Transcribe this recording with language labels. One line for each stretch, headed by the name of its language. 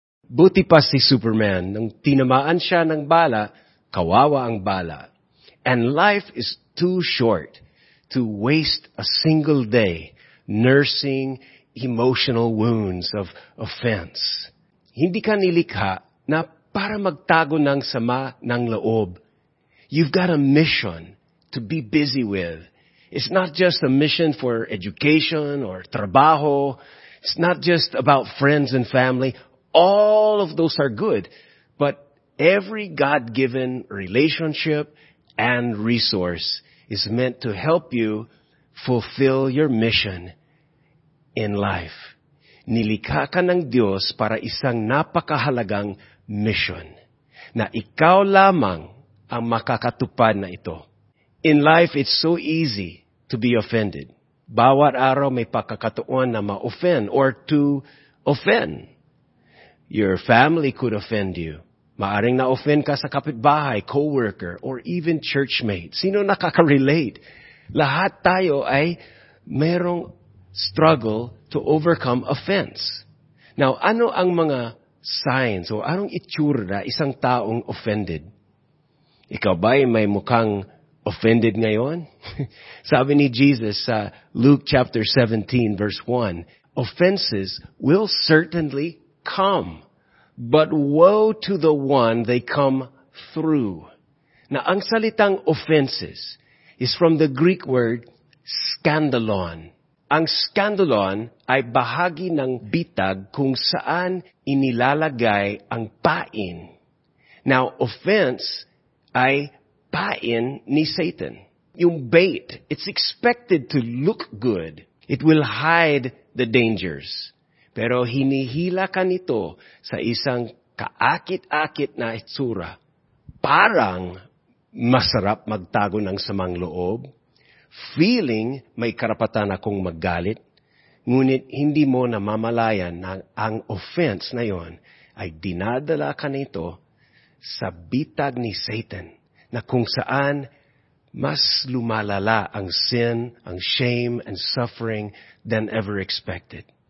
Filipino: Buti pa si Superman, nung tinamaan siya ng bala, kawawa ang bala.
English: And life is too short to waste a single day nursing emotional wounds of offense.
Filipino: Hindi ka nilikha na para magtago ng sama ng loob.
English: You've got a mission to be busy with. It's not just a mission for education or trabaho. It's not just about friends and family. All of those are good, but every God-given relationship and resource is meant to help you fulfill your mission in life.
Filipino: Nilikha ka ng Diyos para isang napakahalagang mission na ikaw lamang ang makakatupad na ito.
English: In life, it's so easy to be offended.
Filipino: Bawat araw may pagkakataon na ma-offend
English: or to offend. Your family could offend you.
Filipino: Maaring na-offend ka sa kapitbahay, co-worker,
English: or even churchmate.
Filipino: Sino nakaka-relate? Lahat tayo ay merong
English: struggle to overcome offense.
Filipino: Now, ano ang mga signs o anong itsura na isang taong offended? Ikaw ba ay may mukhang offended ngayon? Sabi ni Jesus sa
English: Luke chapter 17, verse 1, offenses will certainly come, but woe to the one they come through. Now,
Filipino: ang salitang
English: offenses is from the Greek word skandalon.
Filipino: Ang skandalon ay bahagi ng bitag kung saan inilalagay ang pain. Now, offense ay pain ni Satan.
English: Yung bait, it's expected to look good. It will hide the dangers.
Filipino: Pero hinihila ka nito sa isang kaakit-akit na itsura. Parang masarap magtago ng samang loob. Feeling may karapatan akong maggalit. Ngunit hindi mo namamalayan na ang offense na yon ay dinadala ka nito sa bitag ni Satan na kung saan mas lumalala ang sin, ang shame,
English: and suffering than ever expected.